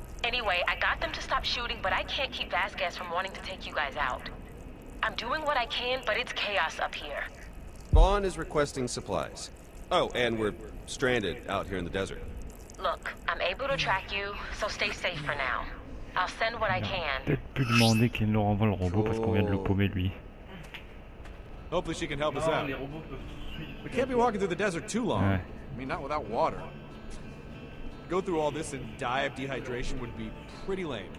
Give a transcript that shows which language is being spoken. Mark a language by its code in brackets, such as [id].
[en] Anyway, I got them to stop shooting, but I can't keep Vasquez from wanting to take you guys out. I'm doing what I can, but it's chaos up here. Vaughn is requesting supplies. Oh, and we're stranded out here in the desert. Look, I'm able to track you, so stay safe for now. I'll send what I can. [fr] Peut-être plus demander qu'il nous renvoie le robot parce qu'on vient de le paumer lui. [en] Hopefully she can help us out. We can't be walking through the desert too long. Ouais. I mean, not without water. Go through all this and die of dehydration would be pretty lame.